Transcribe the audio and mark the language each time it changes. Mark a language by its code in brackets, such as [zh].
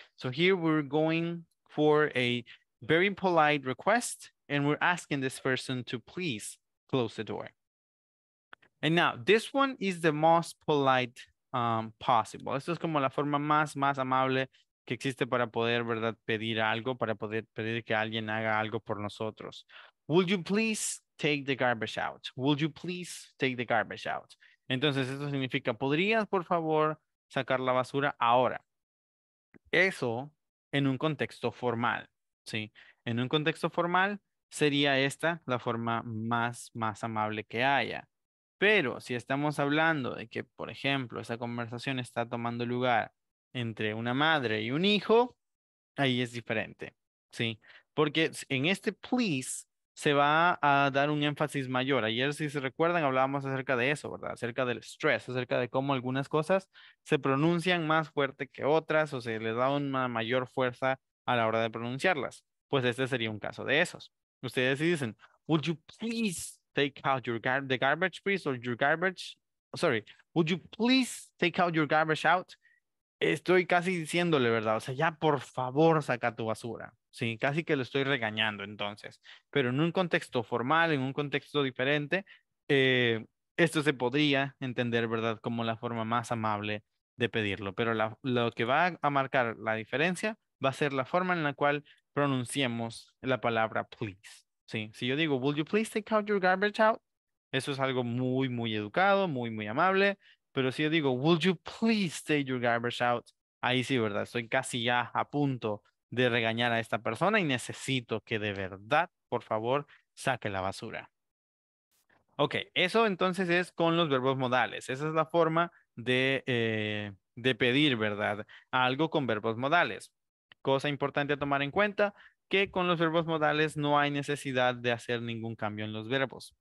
[en] So here we're going for a very polite request, and we're asking this person to please close the door. And now, this one is the most polite possible. [es] Esto es como la forma más amable que existe para poder, ¿verdad?, pedir algo, para poder pedir que alguien haga algo por nosotros. [en] Would you please take the garbage out? Would you please take the garbage out? [es] Entonces, esto significa, ¿podrías, por favor, sacar la basura ahora? Eso en un contexto formal. Sí, en un contexto formal sería esta la forma más amable que haya. Pero si estamos hablando de que, por ejemplo, esa conversación está tomando lugar entre una madre y un hijo, ahí es diferente. Sí, porque en este please se va a dar un énfasis mayor. Ayer, si se recuerdan, hablábamos acerca de eso, ¿verdad? Acerca del stress, acerca de cómo algunas cosas se pronuncian más fuerte que otras o se les da una mayor fuerza a la hora de pronunciarlas. Pues este sería un caso de esos. Ustedes dicen, [en] would you please take out your garbage, please, or your garbage, sorry, would you please take out your garbage out? [es] Estoy casi diciéndole, ¿verdad? O sea, ya por favor saca tu basura. Sí, casi que lo estoy regañando entonces. Pero en un contexto formal, en un contexto diferente, esto se podría entender, ¿verdad? Como la forma más amable de pedirlo. Pero lo que va a marcar la diferencia va a ser la forma en la cual pronunciemos la palabra please. Sí, si yo digo, [en] would you please take out your garbage out? [es] Eso es algo muy, muy educado, muy, muy amable. Pero si yo digo, [en] would you please take your garbage out? [es] Ahí sí, ¿verdad? Estoy casi ya a punto de regañar a esta persona y necesito que de verdad, por favor, saque la basura. Ok, eso entonces es con los verbos modales. Esa es la forma de pedir, ¿verdad? Algo con verbos modales. Cosa importante a tomar en cuenta, que con los verbos modales no hay necesidad de hacer ningún cambio en los verbos.